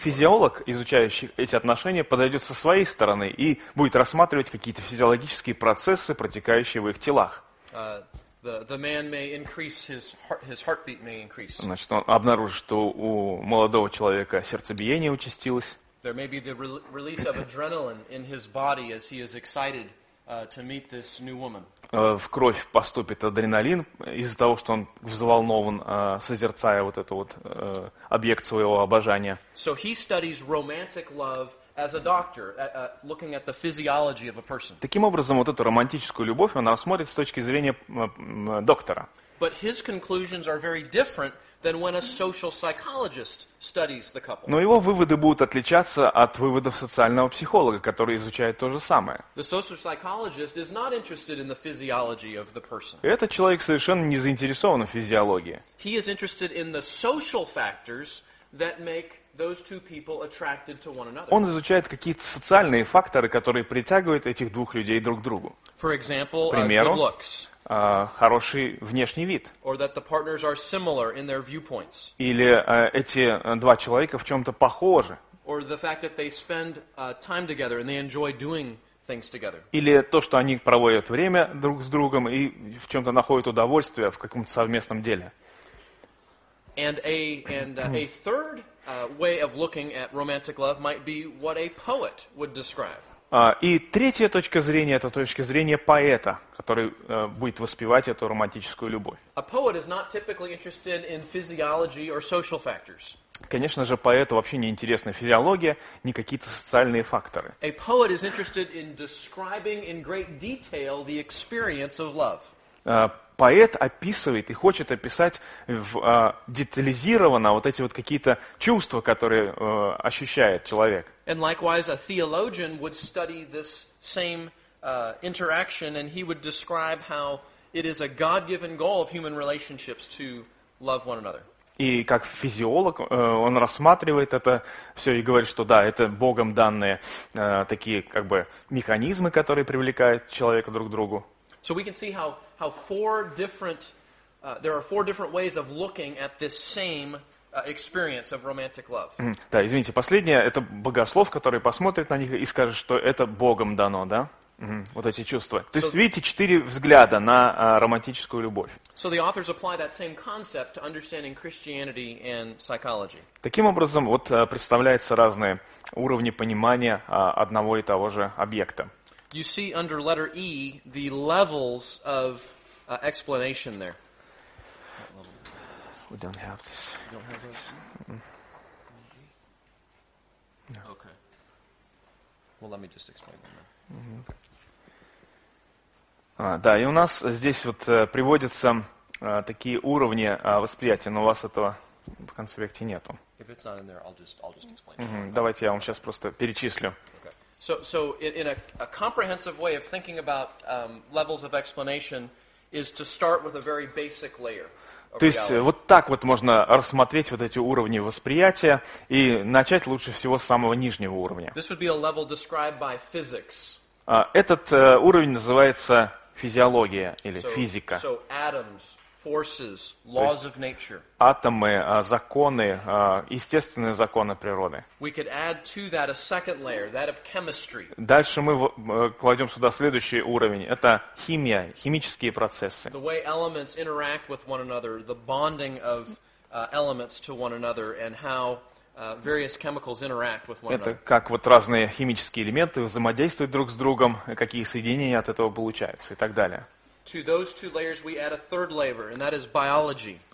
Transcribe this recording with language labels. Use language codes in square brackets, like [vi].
[ru] Физиолог, изучающий эти отношения, подойдет со своей стороны и будет рассматривать какие-то физиологические процессы, протекающие в их телах. [en] The man may increase his heartbeat may increase. [ru] Значит, он обнаружит, что у молодого человека сердцебиение участилось. [en] There may be the release of adrenaline in his body as he is excited to meet this new woman. [ru] В кровь поступит адреналин из-за того, что он взволнован, созерцая вот этот вот объект своего обожания. [en] So he studies romantic love as a doctor, looking at the physiology of a person. [ru] Таким образом, вот эту романтическую любовь он осмотрит с точки зрения доктора. [en] But his conclusions are very different than when a social psychologist studies the couple. [ru] Но его выводы будут отличаться от выводов социального психолога, который изучает то же самое. [en] The social psychologist is not interested in the physiology of the person. [ru] Этот человек совершенно не заинтересован в физиологии. [en] He is interested in the social factors that make those two people attracted to one another. [ru] Он изучает какие-то социальные факторы, которые притягивают этих двух людей друг к другу. [en] For example, [ru] к примеру, [en] good looks. [ru] Хороший внешний вид. [en] Or that the partners are similar in their viewpoints. [ru] Или эти два человека в чем-то похожи. [en] Or the fact that they spend time together and they enjoy doing things together. [ru] Или то, что они проводят время друг с другом и в чем-то находят удовольствие в каком-то совместном деле. [en] And a third way of looking at romantic love might be what a poet would describe. [ru] И третья точка зрения – это точка зрения поэта, который будет воспевать эту романтическую любовь. [en] A poet is not typically interested in physiology or social factors. [ru] Конечно же, поэту вообще не интересна физиология, ни какие-то социальные факторы. [en] A poet is interested in describing in great detail the experience of love. [ru] Поэт описывает и хочет описать детализированно вот эти вот какие-то чувства, которые ощущает человек. [en] And likewise, a theologian would study this same interaction, and he would describe how it is a God-given goal of human relationships to love one another. [ru] И как физиолог, он рассматривает это все и говорит, что да, это Богом данные такие как бы механизмы, которые привлекают человека друг к другу. [en] So we can see how four different there are four different ways of looking at this same experience of romantic love. [ru] Да, извините, последнее это богослов, который посмотрит на них и скажет, что это Богом дано, да? Вот эти чувства. То есть видите, четыре взгляда на романтическую любовь. [en] So the authors apply that same concept to understanding Christianity and psychology. [ru] Таким образом, вот представляются разные уровни понимания одного и того же объекта. [en] You see under letter E the levels of explanation there. We don't have this. You don't have this? No. Okay. Well, let me just explain them then. Mm-hmm. [ru] Да, и у нас здесь вот приводятся такие уровни восприятия, но у вас этого в конспекте нету. [en] If it's not in there, I'll just explain mm-hmm. it. [ru] Давайте я вам сейчас просто перечислю. [en] Okay. So in a comprehensive way of thinking about levels of explanation is to start with a very basic layer. [ru] То есть вот так вот можно рассмотреть вот эти уровни восприятия и начать лучше всего с самого нижнего уровня. [en] This would be a level described by physics. [ru] Этот уровень называется физиология или физика. [en] So atoms, forces, laws of nature. [ru] Атомы, законы, естественные законы природы. [en] We could add to that a second layer, that of chemistry. [ru] Дальше мы кладем сюда следующий уровень. Это химия, химические процессы. [en] The way elements interact with one another, the bonding of elements to one another, and how various chemicals interact with one another. [ru] Это как вот разные химические элементы взаимодействуют друг с другом, какие соединения от этого получаются и так далее. [en] To those two layers we add a third layer, and that is biology.